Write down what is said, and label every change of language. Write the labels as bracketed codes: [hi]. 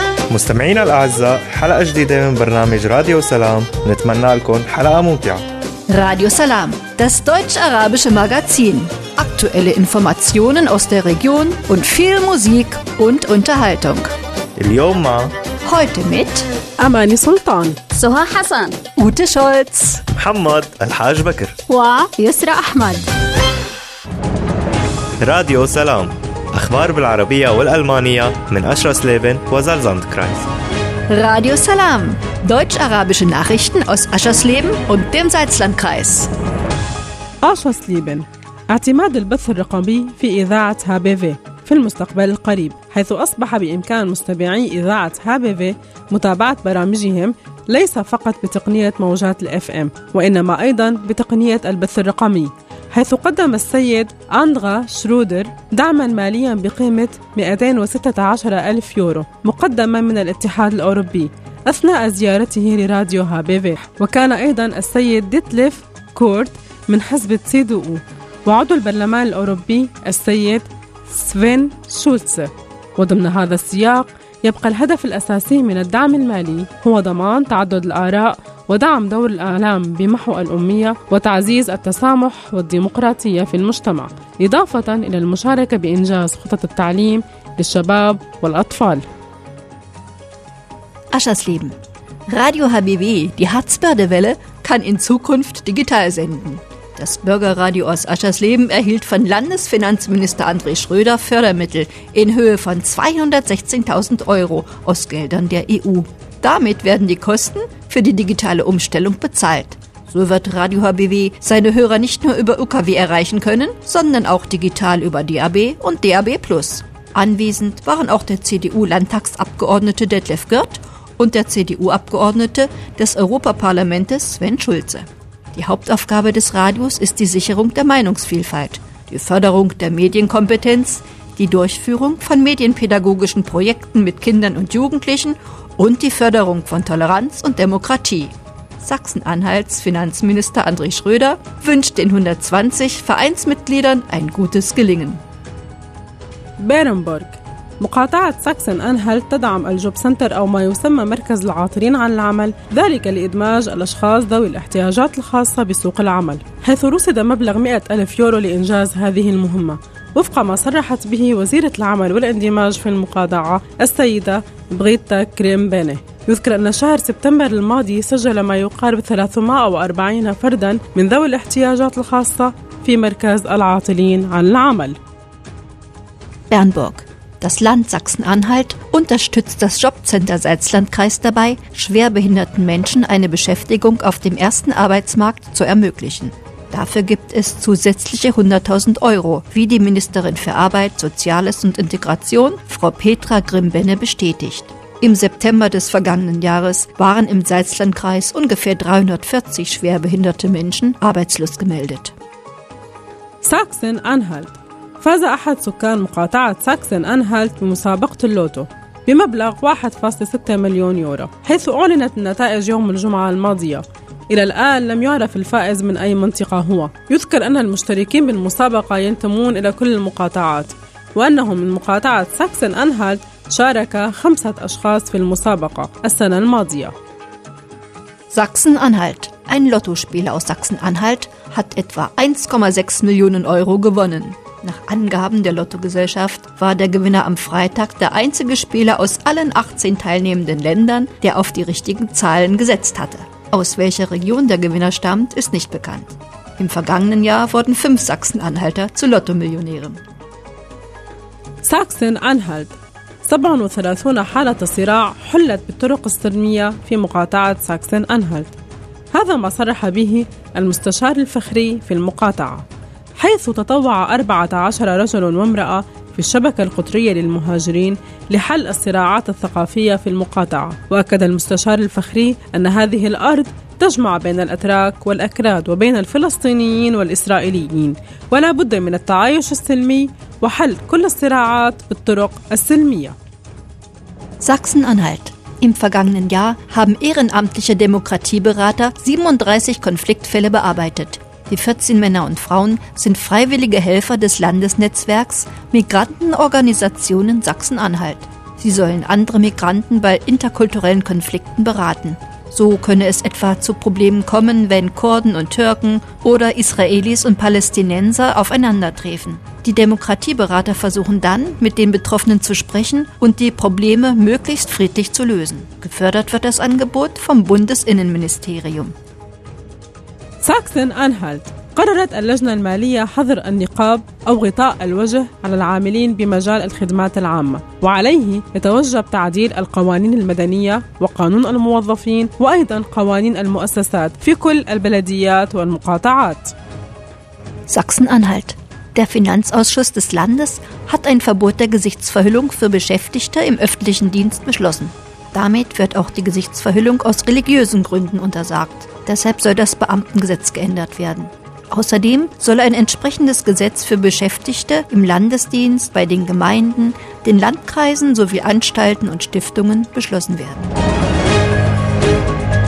[ar] مستمعينا الأعزاء، حلقة جديدة من برنامج راديو سلام، نتمنى لكم حلقة ممتعة. [de] راديو سلام، das deutsch-arabische Magazin. Aktuelle Informationen aus der Region und viel Musik und Unterhaltung. [ar] اليوم مع [de] heute mit [ar] أماني سلطان، سهى حسن، أوتي شولتز، محمد الحاج بكر، ويسرى أحمد. راديو سلام، أخبار بالعربية والألمانية من أشرس ليبن وزلزاند كرايس. [de] راديو سلام، deutsch-arabische Nachrichten aus أشرس ليبن und dem Salzland Kreis. [ar] أشرس ليبن، اعتماد البث الرقمي في إذاعة هابيفي في المستقبل القريب، حيث أصبح بإمكان مستمعي إذاعة هابيفي متابعة برامجهم ليس فقط بتقنية موجات الاف ام، وإنما أيضا بتقنية البث الرقمي، حيث قدم السيد أندغا شرودر دعما ماليا بقيمة 216 ألف يورو مقدما من الاتحاد الأوروبي أثناء زيارته لراديو هابيفي. وكان أيضا السيد ديتليف كورت من حزب CDU وعضو البرلمان الأوروبي السيد سفين شولتس. وضمن هذا السياق، يبقى الهدف الأساسي من الدعم المالي هو ضمان تعدد الآراء ودعم دور الإعلام بمحو الأمية وتعزيز التسامح والديمقراطية في المجتمع، إضافة إلى المشاركة بإنجاز خطط التعليم للشباب والأطفال. [de] أشرس ليبن، راديو هابيبي دي هاتسبرده ويله كان إن زوكونفت ديجيتال سندن. Das Bürgerradio aus Aschersleben erhielt von Landesfinanzminister André Schröder Fördermittel in Höhe von 216.000 Euro aus Geldern der EU. Damit werden die Kosten für die digitale Umstellung bezahlt. So wird Radio HBW seine Hörer nicht nur über UKW erreichen können, sondern auch digital über DAB und DAB+. Anwesend waren auch der CDU-Landtagsabgeordnete Detlef Görth und der CDU-Abgeordnete des Europaparlamentes Sven Schulze. Die Hauptaufgabe des Radios ist die Sicherung der Meinungsvielfalt, die Förderung der Medienkompetenz, die Durchführung von medienpädagogischen Projekten mit Kindern und Jugendlichen und die Förderung von Toleranz und Demokratie. Sachsen-Anhalts Finanzminister André Schröder wünscht den 120 Vereinsmitgliedern ein gutes Gelingen. Berenburg. [ar] مقاطعة ساكسن-أنهالت تدعم الجوب سنتر أو ما يسمى مركز العاطلين عن العمل، ذلك لإدماج الأشخاص ذوي الاحتياجات الخاصة بسوق العمل، حيث رصد مبلغ 100 ألف يورو لإنجاز هذه المهمة وفق ما صرحت به وزيرة العمل والاندماج في المقاطعة السيدة بغيتا كريمبيني. يذكر أن شهر سبتمبر الماضي سجل ما يقارب 340 فردا من ذوي الاحتياجات الخاصة في مركز العاطلين عن العمل. بيرنبورغ. [de] Das Land Sachsen-Anhalt unterstützt das Jobcenter Salzlandkreis dabei, schwerbehinderten Menschen eine Beschäftigung auf dem ersten Arbeitsmarkt zu ermöglichen. Dafür gibt es zusätzliche 100.000 Euro, wie die Ministerin für Arbeit, Soziales und Integration, Frau Petra Grimbenne, bestätigt. Im September des vergangenen Jahres waren im Salzlandkreis ungefähr 340 schwerbehinderte Menschen arbeitslos gemeldet. Sachsen-Anhalt. [ar] فاز أحد سكان مقاطعة ساكسن-أنهالت بمسابقة اللوتو بمبلغ 1.6 مليون يورو، حيث أعلنت النتائج يوم الجمعة الماضية. إلى الآن لم يعرف الفائز من أي منطقة هو. يذكر أن المشتركين بالمسابقة ينتمون إلى كل المقاطعات، وأنه من مقاطعة ساكسن-أنهالت شارك 5 أشخاص في المسابقة السنة الماضية. [de] ساكسن-أنهالت، ein Lottospieler aus Sachsen-Anhalt hat etwa 1,6 Millionen Euro gewonnen. Nach Angaben der Lottogesellschaft war der Gewinner am Freitag der einzige Spieler aus allen 18 teilnehmenden Ländern, der auf die richtigen Zahlen gesetzt hatte. Aus welcher Region der Gewinner stammt, ist nicht bekannt. Im vergangenen Jahr wurden 5 Sachsen-Anhalter zu Lottomillionären. Sachsen-Anhalt. [ar] 37 حالة صراع حلت بالطرق السرمية في مقاطعة ساكسن-أنهالت. هذا ما صرح به المستشار الفخري في المقاطعة، حيث تطوع 14 رجل وامرأة في الشبكة القطرية للمهاجرين لحل الصراعات الثقافية في المقاطعة. وأكد المستشار الفخري أن هذه الأرض تجمع بين الأتراك والأكراد وبين الفلسطينيين والإسرائيليين، ولا بد من التعايش السلمي وحل كل الصراعات بالطرق السلمية. ساكسن-أنهالت. [de] Im vergangenen Jahr haben ehrenamtliche Demokratieberater 37 Konfliktfälle bearbeitet. Die 14 Männer und Frauen sind freiwillige Helfer des Landesnetzwerks Migrantenorganisationen Sachsen-Anhalt. Sie sollen andere Migranten bei interkulturellen Konflikten beraten. So könne es etwa zu Problemen kommen, wenn Kurden und Türken oder Israelis und Palästinenser aufeinandertreffen. Die Demokratieberater versuchen dann, mit den Betroffenen zu sprechen und die Probleme möglichst friedlich zu lösen. Gefördert wird das Angebot vom Bundesinnenministerium. Sachsen-Anhalt. [ar] قررت اللجنة المالية حظر النقاب أو غطاء الوجه على العاملين بمجال الخدمات العامة، وعليه يتوجب تعديل القوانين المدنية وقانون الموظفين وأيضا قوانين المؤسسات في كل البلديات والمقاطعات. [de] Sachsen-Anhalt. Der Finanzausschuss des Landes hat ein Verbot der Gesichtsverhüllung für Beschäftigte im öffentlichen Dienst beschlossen. Damit wird auch die Gesichtsverhüllung aus religiösen Gründen untersagt. Deshalb soll das Beamtengesetz geändert werden. Außerdem soll ein entsprechendes Gesetz für Beschäftigte im Landesdienst, bei den Gemeinden, den Landkreisen sowie Anstalten und Stiftungen beschlossen werden.